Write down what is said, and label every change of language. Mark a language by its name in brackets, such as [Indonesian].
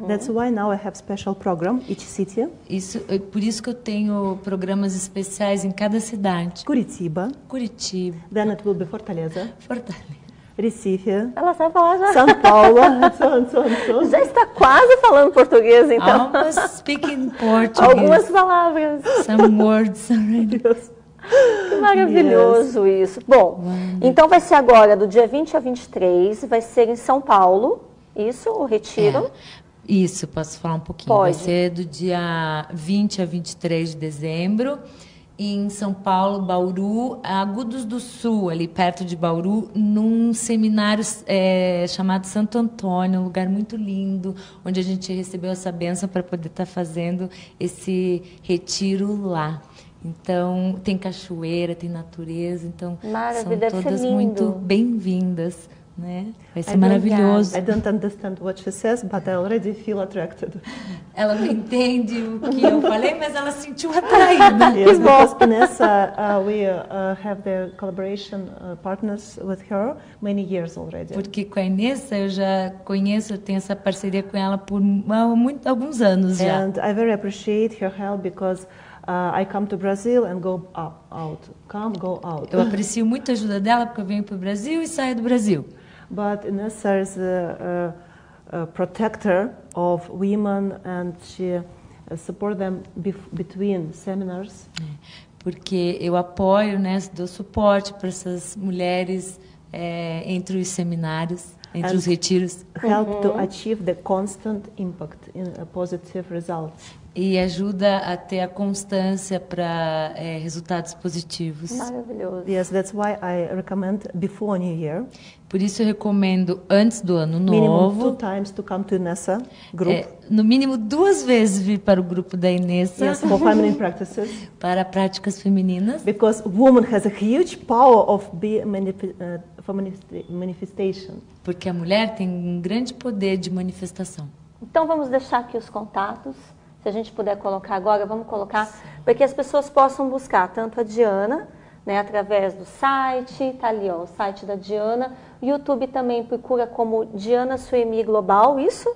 [English] That's why now I have special program each city. [Portuguese] Isso, por isso que eu tenho programas especiais em cada cidade. [English] Curitiba. Then it will be Fortaleza. Recife. [Portuguese] Ela sabe falar já. São Paulo. São. Já está quase falando português, então. [English] Almost speaking Portuguese. [Portuguese] Algumas palavras. [English] Some words. Yes. [Portuguese] Que maravilhoso, yes. Isso. Bom, wonder. Então vai ser agora, do dia 20 a 23, vai ser em São Paulo, isso, o retiro. É. Isso, posso falar um pouquinho? Pode. Vai ser do dia 20 a 23 de dezembro. Em São Paulo, Bauru, Agudos do Sul, ali perto de Bauru, num seminário chamado Santo Antônio, um lugar muito lindo, onde a gente recebeu essa bênção para poder estar fazendo esse retiro lá. Então, tem cachoeira, tem natureza, então são todas muito bem-vindas. Né? Vai ser maravilhoso. [English] I don't understand what she says, but I already feel attracted. [Portuguese] Ela não entende o que eu falei, mas ela sentiu atraída. [English] Yes, because Vanessa, we have the collaboration partners with her many years already. [Portuguese] Porque com a Vanessa eu já conheço, eu tenho essa parceria com ela por alguns anos já. [English] And I very appreciate her help because I come to Brazil and go out. Come, go out. [Portuguese] Eu aprecio muito a ajuda dela porque eu venho para o Brasil e saio do Brasil. [English] But Inessa is a protector of women and she support them between seminars. [Portuguese] Porque eu apoio, né, dou suporte para essas mulheres entre os seminários. Entre os retiros. [English] Help to achieve the constant impact in a positive result. [Portuguese] E ajuda a ter a constância para resultados positivos. Maravilhoso. [English] Yes, that's why I recommend before New Year. [Portuguese] Por isso eu recomendo antes do ano novo. [English] Minimum two times to come to Inessa group. [Portuguese] No mínimo duas vezes vir para o grupo da Inessa. [English] Yes, for feminine practices. [Portuguese] Para práticas femininas. [English] Because woman has a huge power of for manifestation. [Portuguese] Porque a mulher tem um grande poder de manifestação. Então vamos deixar aqui os contatos. Se a gente puder colocar agora, vamos colocar. Para que as pessoas possam buscar tanto a Diana, né, através do site, tá ali, ó, o site da Diana. YouTube também procura como Diana Suemi Global, isso?